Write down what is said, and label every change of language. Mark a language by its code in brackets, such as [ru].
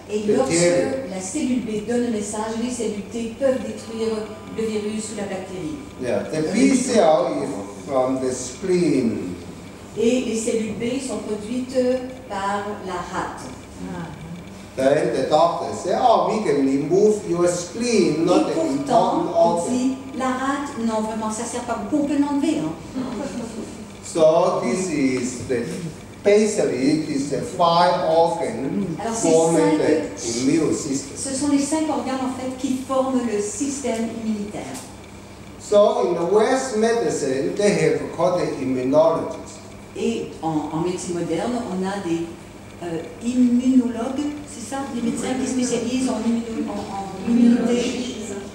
[fr] Et lorsque la cellule B donne le message, les cellules T peuvent détruire le virus ou la bactérie. [en] Yeah, the B cell is from the spleen. [fr] Et les cellules B sont produites par la rate. [en] Then the doctor say, oh, we can remove your spleen, not the important organ. [fr] Et pourtant, on dit, la rate, non, vraiment, ça ne sert pas beaucoup, on peut l'enlever. Hein. [en] So this is the... Basically, it is the five organs forming the immune system. [fr] Ce sont les cinq organes en fait qui forment le système immunitaire. [en] So in the West medicine, they have called the immunologists. [fr] Et en médecine moderne, on a des immunologues, c'est ça, des médecins qui spécialisent en immunité.